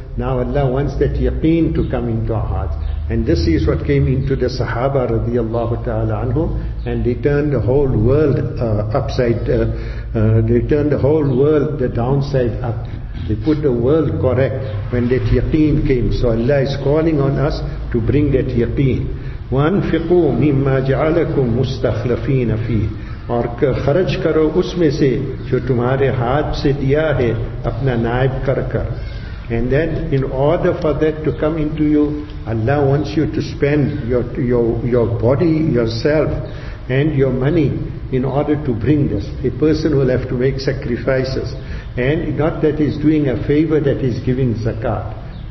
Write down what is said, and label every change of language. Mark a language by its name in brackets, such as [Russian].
[English] Now Allah wants that yaqeen to come into our hearts. And this is what came into the Sahaba radiallahu ta'ala anhum, and they turned the whole world the downside up. They put the world correct when that yaqeen came. So Allah is calling on us to bring that yaqeen. [Arabic] وَأَنْفِقُوا مِمَّا جَعَلَكُمْ مُسْتَخْلَفِينَ فِيهِ. [Urdu] اور خرج کرو اس میں سے جو تمہارے ہاتھ سے دیا ہے اپنا نائب کر کر. [English] And then in order for that to come into you, Allah wants you to spend your body, yourself and your money in order to bring this. A person will have to make sacrifices. And not that he's doing a favor that he's giving zakat.